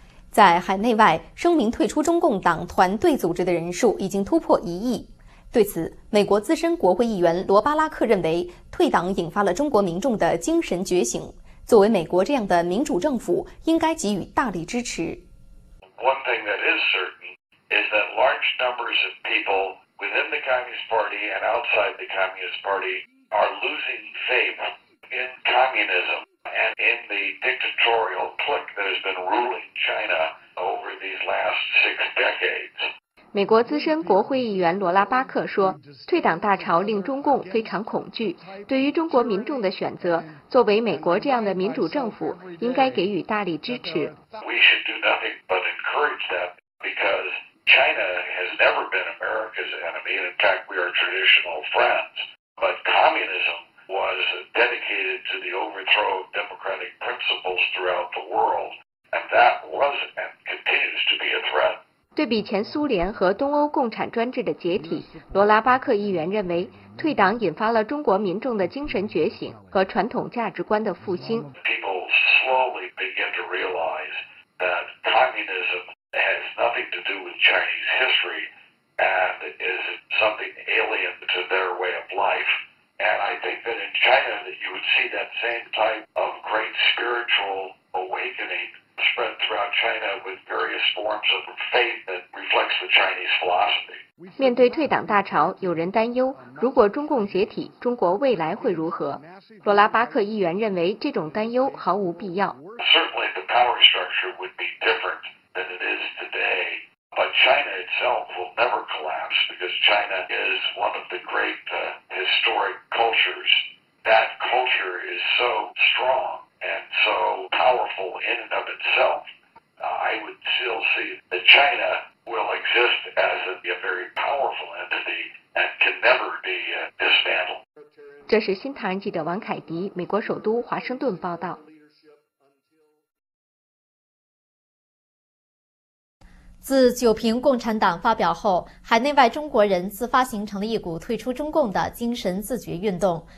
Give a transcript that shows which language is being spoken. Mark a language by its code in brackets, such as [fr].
[zh] 在海内外，声明退出中共党团队组织的人数已经突破1亿。对此，美国资深国会议员罗巴拉克认为，退党引发了中国民众的精神觉醒，作为美国这样的民主政府，应该给予大力支持。 [en] One thing that is certain is that large numbers of people within the Communist Party and outside the Communist Party are losing faith in communism. And in the dictatorial clique that has been ruling China over these last 6 decades. [zh] 美国资深国会议员罗拉巴克说，退党大潮令中共非常恐惧，对于中国民众的选择，作为美国这样的民主政府，应该给予大力支持。 [en] We should do nothing but encourage that because China has never been America's enemy. In fact, we are traditional friends. But communism. Was dedicated to the overthrow of democratic principles throughout the world, and that was and continues to be a threat. [zh] 对比前苏联和东欧共产专制的解体，罗拉巴克议员认为，退党引发了中国民众的精神觉醒和传统价值观的复兴。 [en] People slowly begin to realize that communism has nothing to do with Chinese history and is something alien to their way of life. And I think that in China that you would see that same type of great spiritual awakening spread throughout China with various forms of faith that reflects the Chinese philosophy. [zh] 面对退党大潮，有人担忧，如果中共解体，中国未来会如何？罗拉巴克议员认为，这种担忧毫无必要。 [en] Certainly the power structure would be different than it is today. But China itself will never collapse because China is one of the great historic cultures. That culture is so strong and so powerful in and of itself. I would still see that China will exist as a very powerful entity and can never be dismantled. [zh] 这是新唐人记者王凯迪，美国首都华盛顿报道。自九评共产党发表后，海内外中国人自发形成了一股退出中共的精神自觉运动。